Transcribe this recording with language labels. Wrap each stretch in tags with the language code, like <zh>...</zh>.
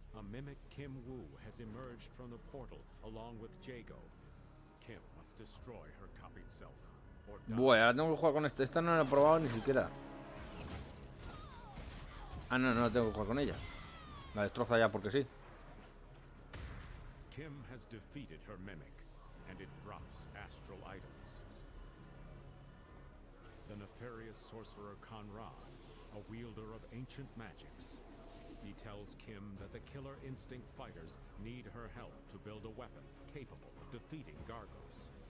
<en>Mimic Kim Wu has emerged from the portal along with Jago. Kim must destroy her copied self.</en> <es>Bueno, ahora tengo que jugar con esta. Esta no la he probado ni siquiera. Ah, no, no la tengo que jugar con ella. La destroza ya porque sí.</es> <en>Kim has defeated her mimic and it drops astral items. The nefarious sorcerer Conrad, a wielder of ancient magics. He tells Kim that the Killer Instinct fighters need her help to build a weapon capable of defeating Gargos.</en>